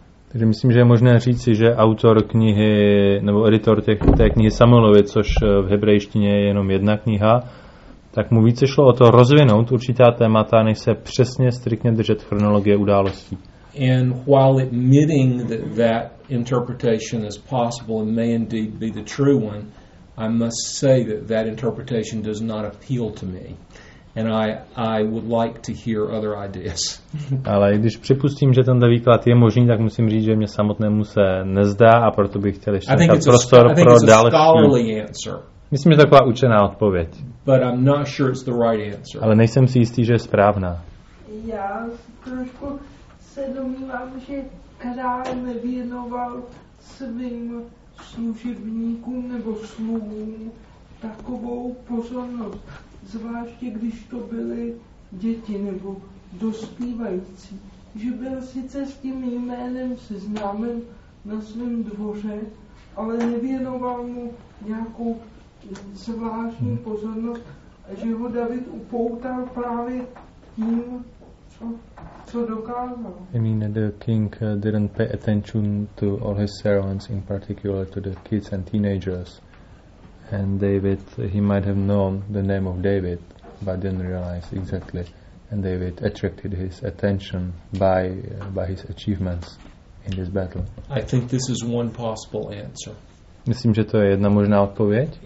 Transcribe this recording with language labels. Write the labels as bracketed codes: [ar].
[cs] Takže myslím, že je možné říci, že autor knihy nebo editor té knihy Samuelovi, což v hebrejštině je jenom jedna kniha, tak mu více šlo o to rozvinout určitá témata, než se přesně striktně držet chronologie událostí. [en] And while admitting that that interpretation is possible and may indeed be the true one, I must say that that interpretation does not appeal to me. And I would like to hear other ideas. [cs] Ale když připustím, že tenhle výklad je možný, tak musím říct, že mě samotnému se nezdá a proto bych chtěl ještě nechat prostor pro další. Myslím, že to je taková učená odpověď. [en] But I'm not sure it's the right answer. [cs] Ale nejsem si jistý, že je správná. Já trošku se domnívám, že král nevěnoval svým služebníkům nebo sluhům takovou pozornost. Zvláště když to byly děti nebo dospívající, že byl sice s tím jménem seznámen na svém dvoře, ale nevěnoval mu nějakou zvláštní pozornost, že ho David upoutal právě tím, co dokázal. [en] I mean, the king didn't pay attention to all his servants, in particular to the kids and teenagers. And David, he might have known the name of David, but didn't realize exactly. And David attracted his attention by his achievements in this battle. I think this is one possible answer. [cs] Myslím, že to je jedna možná odpověď.